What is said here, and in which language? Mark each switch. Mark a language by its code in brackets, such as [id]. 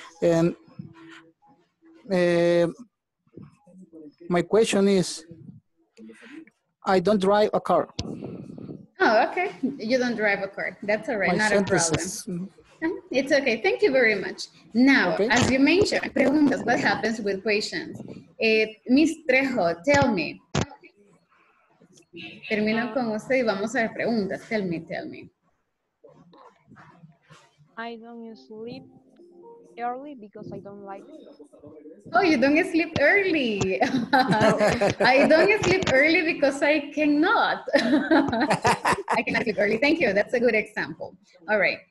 [en] And my question is, I don't drive a car. Oh, okay. You don't drive a car. That's all right. My not sentences. A problem. It's okay. Thank you very much. Now, okay. As you mentioned, [es] preguntas, [en] what happens with questions? Miss Trejo, tell me. [es] Termino con usted y vamos a las preguntas. [en] Tell me. I don't sleep early because I don't like it. Oh, you don't sleep early. I don't sleep early because I cannot. I cannot sleep early. Thank you. That's a good example. All right.